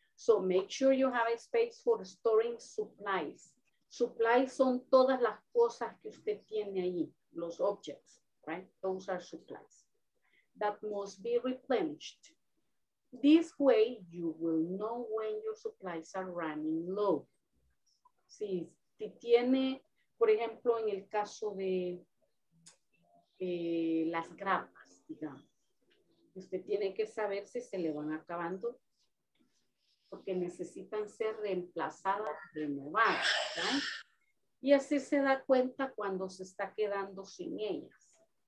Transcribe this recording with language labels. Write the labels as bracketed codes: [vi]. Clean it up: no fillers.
[en] So make sure you have a space for storing supplies. [es] Supplies son todas las cosas que usted tiene ahí, los objects, right? [en] Those are supplies. That must be replenished. This way, you will know when your supplies are running low. [es] Si te tiene, por ejemplo, en el caso de las grapas, digamos. Usted tiene que saber si se le van acabando porque necesitan ser reemplazadas, renovadas, ¿verdad? Y así se da cuenta cuando se está quedando sin ellas.